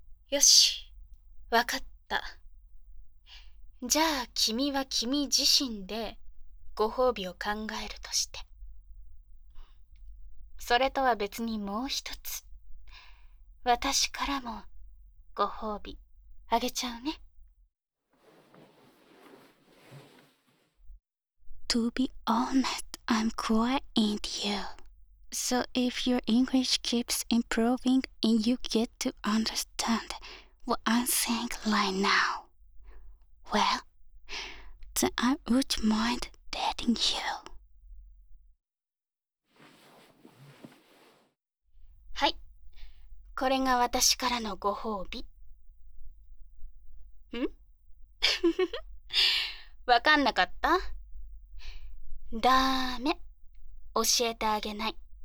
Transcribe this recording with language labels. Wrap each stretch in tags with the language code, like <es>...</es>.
<ja>よし、わかった。じゃあ君は君自身でご褒美を考えるとして。それとは別にもう一つ、私からもご褒美あげちゃうね。</ja> <en>To be honest, I'm quite into you. So if your English keeps improving and you get to understand what I'm saying right now, well, then I would mind dating you.</en> <ja>はい、これが私からのご褒美。ん？わかんなかった？ダメ。教えてあげない。</ja>